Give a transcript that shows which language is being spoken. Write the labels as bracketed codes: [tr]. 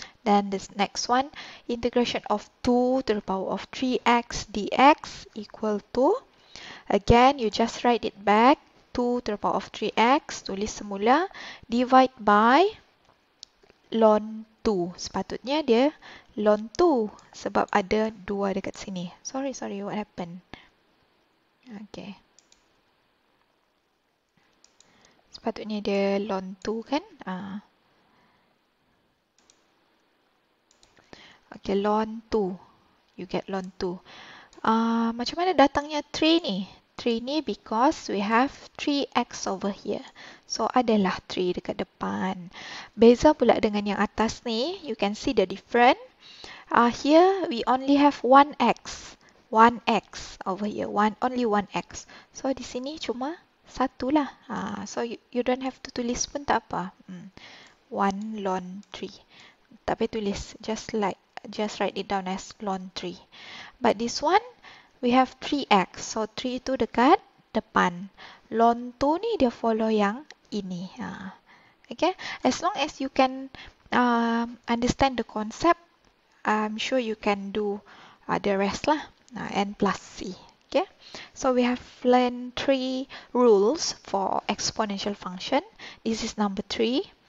[en] Then this next one, integration of 2 to the power of 3x dx equal to, again, you just write it back, 2 to the power of 3x, [ms] tulis semula, [en] divide by ln 2. [ms] Sepatutnya dia ln 2 sebab ada 2 dekat sini. [en] Sorry, what happened? Okay. [ms] Sepatutnya dia ln 2 kan? [en] Okay, ln 2. You get ln 2. [ms] Macam mana datangnya 3 ni? [en] 3 ni because we have 3x over here. [ms] So, adalah 3 dekat depan. Beza pula dengan yang atas ni. [en] You can see the different. Here, we only have 1x. 1x over here. Only 1x. [ms] So, di sini cuma 1 lah. [en] So, you don't have to [ms] tulis pun tak apa. 1 ln 3. Tapi tulis [en] just like. Just write it down as ln 3. But this one, we have 3x. [ms] So, 3 itu dekat depan. Ln 2 ni dia follow yang ini. [en] Okay? As long as you can understand the concept, I'm sure you can do the rest lah. N plus c. Okay? So, we have learned 3 rules for exponential function. This is number 3.